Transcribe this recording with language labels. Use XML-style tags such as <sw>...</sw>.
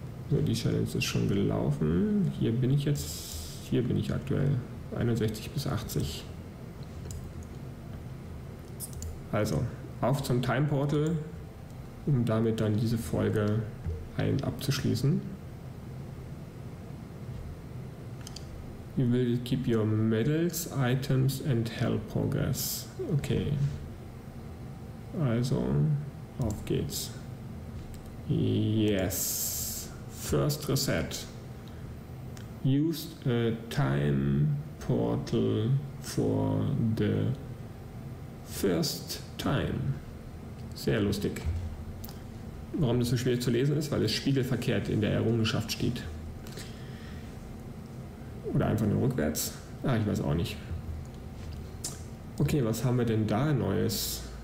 <de>So, die Challenge ist schon gelaufen. Hier bin ich jetzt. Hier bin ich aktuell. 61 bis 80. Also, auf zum Time Portal, um damit dann diese Folge ein abzuschließen.</de> <en>You will keep your medals, items and health progress.</en> <de>Okay. Also, auf geht's.</de> <en>Yes. First reset. Use a time portal for the first time.</en> <de>Sehr lustig. Warum das so schwer zu lesen ist, weil es spiegelverkehrt in der Errungenschaft steht. Oder einfach nur rückwärts. Ah, ich weiß auch nicht. Okay, was haben wir denn da Neues?</de>